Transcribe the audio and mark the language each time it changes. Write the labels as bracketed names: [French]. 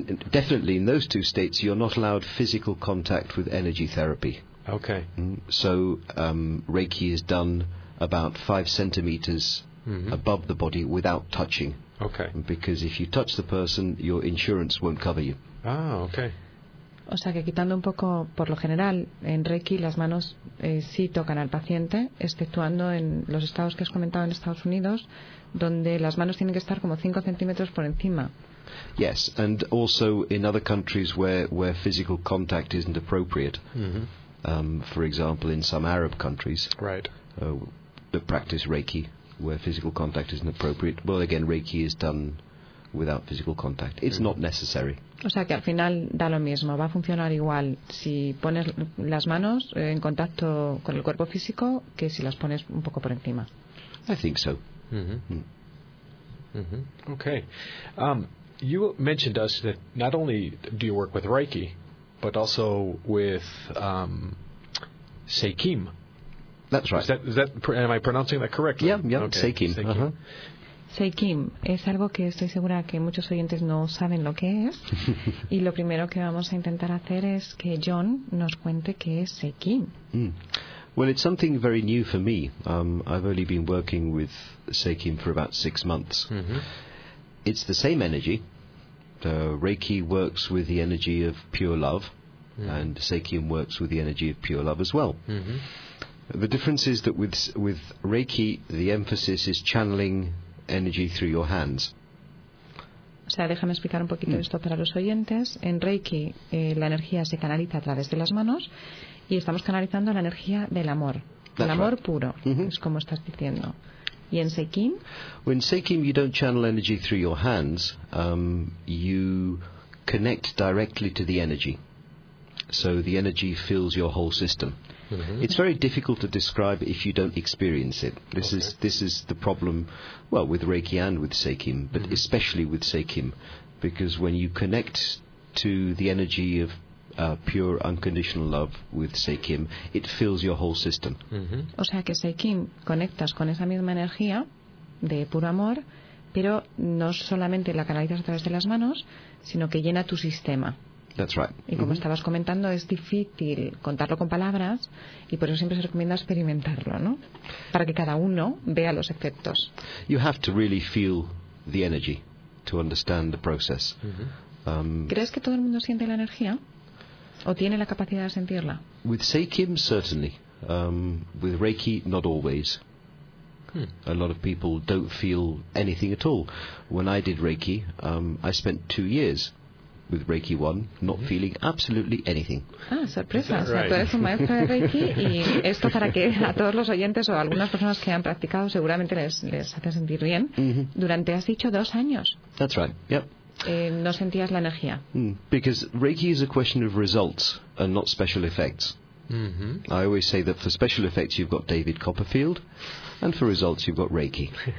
[English] definitely in those two states, you're not allowed physical contact with energy therapy. Okay. So Reiki is done about 5 centimeters above the body without touching. Okay. Because if you touch the person, your insurance won't cover you. Ah, okay. [Spanish] O sea que quitando un poco, por lo general, en Reiki las manos sí tocan al paciente, exceptuando en los estados que has comentado en Estados Unidos, donde las manos tienen que estar como 5 centímetros por encima. [English] Yes, and also in other countries where physical contact isn't appropriate. Mm-hmm. For example, in some Arab countries. Right. That practice Reiki, where physical contact isn't appropriate. Well, again, Reiki is done... without physical contact. It's not necessary. O sea, que al final da lo mismo. Va a funcionar igual si pones las manos en contacto con el cuerpo físico que si las pones un poco por encima. I think so. Okay. You mentioned to us that not only do you work with Reiki, but also with Seikim. That's right. Am I pronouncing that correctly? Yeah, okay. Seikim. [Spanish] Seikim es algo que estoy segura que muchos oyentes no saben lo que es. Y lo primero que vamos a intentar hacer es que John nos cuente qué es Seikim. [English] Well, it's something very new for me. I've only been working with Seikim for about 6 months. Mm-hmm. It's the same energy. Reiki works with the energy of pure love. Mm-hmm. And Seikim works with the energy of pure love as well. Mm-hmm. The difference is that with Reiki, the emphasis is channeling... energy through your hands. [Spanish] O sea, déjame explicar un poquito esto para los oyentes. En Reiki, la energía se canaliza a través de las manos y estamos canalizando la energía del amor. [English] That's [Spanish] el amor [English] right. [Spanish] puro, mm-hmm. es como estás diciendo. ¿Y en Seikim? [English] Well, in Seikim, you don't channel energy through your hands. You connect directly to the energy. So the energy fills your whole system. Mm-hmm. It's very difficult to describe if you don't experience it. This okay. is this is the problem, well, with Reiki and with Seikim, but mm-hmm. especially with Seikim, because when you connect to the energy of pure unconditional love with Seikim, it fills your whole system. [Spanish] Mm-hmm. O sea que Seikim conectas con esa misma energía de puro amor, pero no solamente la canalizas a través de las manos, sino que llena tu sistema. [English] That's right. [Spanish] Y como mm-hmm. estabas comentando, es difícil contarlo con palabras y por eso siempre se recomienda experimentarlo, ¿no? Para que cada uno vea los efectos. [English] You have to really feel the energy to understand the process. Mm-hmm. [Spanish] ¿Crees que todo el mundo siente la energía o tiene la capacidad de sentirla? [English] With Seikim, certainly. With Reiki, not always. A lot of people don't feel anything at all. When I did Reiki, I spent 2 years with Reiki 1, not mm-hmm. feeling absolutely anything. [Spanish] Ah, sorpresa. Right? O sea, tú eres un maestro de Reiki y esto para que a todos los oyentes o a algunas personas que han practicado seguramente les hace sentir bien. Mm-hmm. Durante, has dicho, 2 años. [English] That's right, yep. [Spanish] No sentías la energía. [English] Because Reiki is a question of results and not special effects. Mm-hmm. I always say that for special effects you've got David Copperfield and for results you've got Reiki.